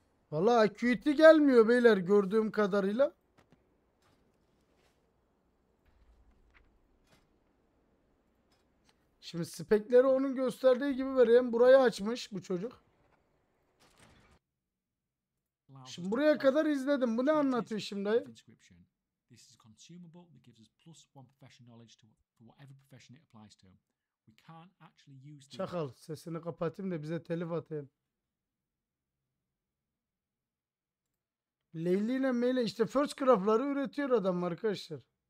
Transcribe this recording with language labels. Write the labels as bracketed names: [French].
[Turkish] Valla acuity gelmiyor beyler gördüğüm kadarıyla. Şimdi spekleri onun gösterdiği gibi vereyim. Burayı açmış bu çocuk. Şimdi buraya kadar izledim. Bu ne anlatıyor şimdi? [English] This is consumable that gives us plus one professional knowledge to whatever profession it applies to. We can't actually use. [Turkish] Çakal sesini kapatayım da bize telif atayım. Leyli ile Meyli işte first craft'ları üretiyor adam arkadaşlar.